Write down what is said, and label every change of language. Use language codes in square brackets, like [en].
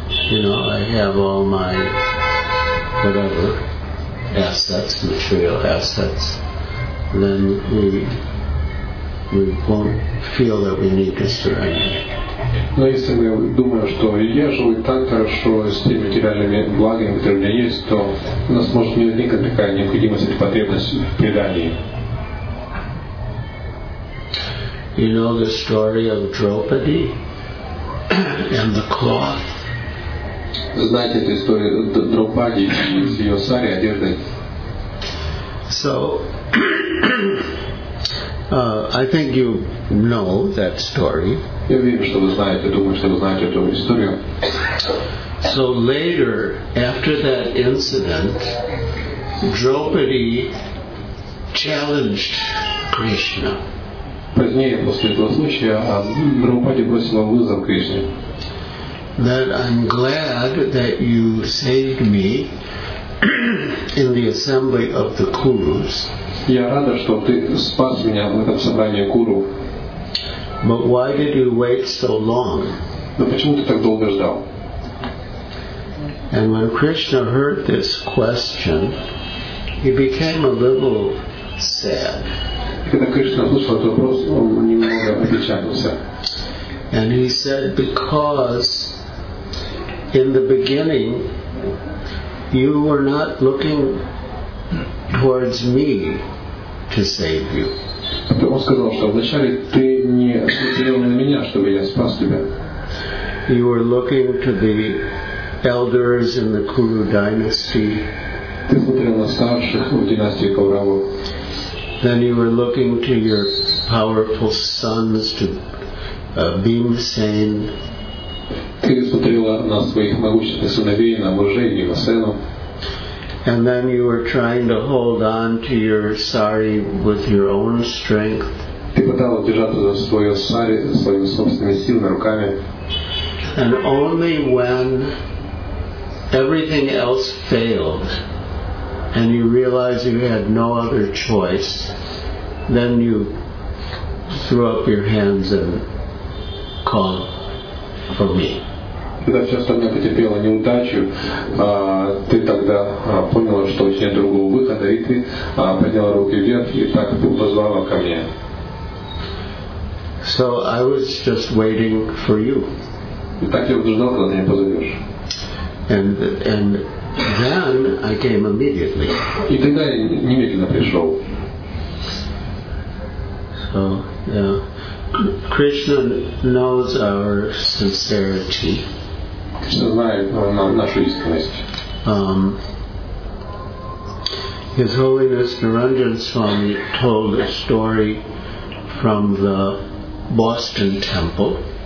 [en] You know, I have all my whatever assets, material assets. Then we won't feel that we need to surrender. [ru] Но если мы думаем, что я живу так хорошо с теми материальными благами, которые у меня есть, то у нас может не возникнуть такая необходимость или потребность в предании. [en] You know the story of Draupadi and the cloth. [ru] Знаете эту историю Драупади с ее сари одеждой? [en] So, I think you know that story. [ru] Я верю, что вы знаете. Думаю, что вы знаете эту историю. [en] So later, after that incident, Draupadi challenged Krishna. [ru] Позднее после этого случая Драупади бросила вызов Кришне. [en] That I'm glad that you saved me in the assembly of the Kurus. [ru] Я рада, что ты спас меня в этом собрании Куру. [en] But why did you wait so long? [ru] Но почему ты так долго ждал? [en] And when Krishna heard this question, he became a little sad. [ru] Когда Кришна услышал этот вопрос, он немного опечалился. [en] And he said, because in the beginning, you were not looking towards me to save you. [ru] Он сказал, что вначале ты не смотрел на меня, чтобы я спас тебя. [en] You were looking to the elders in the Kuru dynasty. [ru] Ты смотрел на старших в династии Кауравов. [en] Then you were looking to your powerful sons, to Bhimsen. [ru] Ты смотрела на своих могущественных сыновей, на мужей и на сына. [en] And then you were trying to hold on to your sari with your own strength. [ru] Ты пыталась держаться за свое сари своими собственными силами, руками. [en] And only when everything else failed and you realized you had no other choice, then you threw up your hands and called for me. [ru] когда все остальное потерпело неудачу, ты тогда поняла, что у тебя нет другого выхода, и ты подняла руки вверх и так позвала ко мне. [en] So I was just waiting for you. [ru] И так я ждал, когда меня позовешь. [en] And then I came immediately. [ru] И тогда я немедленно пришел. [en] So, yeah. Krishna knows our sincerity. [ru] Krishna знает нашу искренность. [en] His Holiness Niranjan Swami told a story from the Boston Temple.